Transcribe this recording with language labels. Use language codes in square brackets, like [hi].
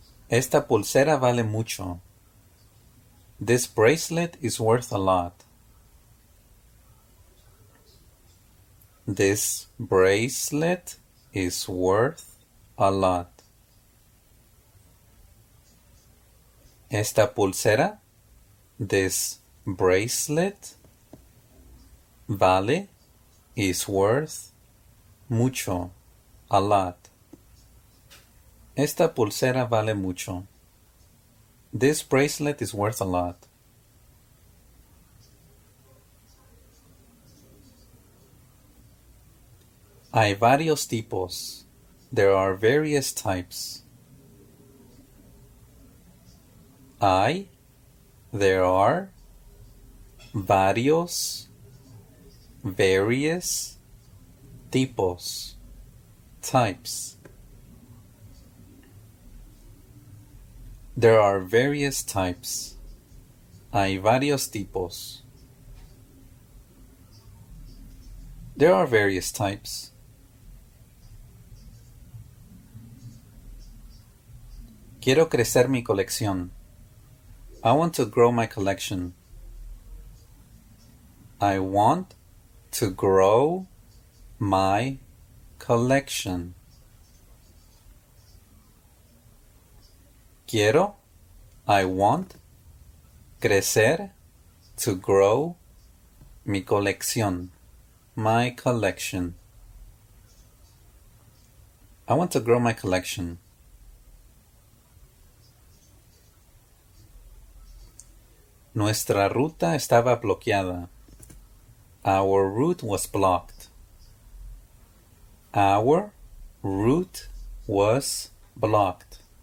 [es] Esta pulsera vale mucho. [en] This bracelet is worth a lot. This bracelet is worth a lot. [es] Esta pulsera, [en] this bracelet, [es] vale, [en] is worth [es] mucho, [en] a lot. [es] Esta pulsera vale mucho. [en] This bracelet is worth a lot. [es] Hay varios tipos. [en] There are various types. [es] Hay, [en] there are, [es] varios, [en] various, [es] tipos, [en] types. There are various types. [es] Hay varios tipos. [en] There are various types. [es] Quiero crecer mi colección. [en] I want to grow my collection. I want to grow my collection. [es] Quiero, [en] I want, [es] crecer, [en] to grow [es] mi colección, [en] my collection. I want to grow my collection. [es] Nuestra ruta estaba bloqueada. [en] Our route was blocked. Our route was blocked.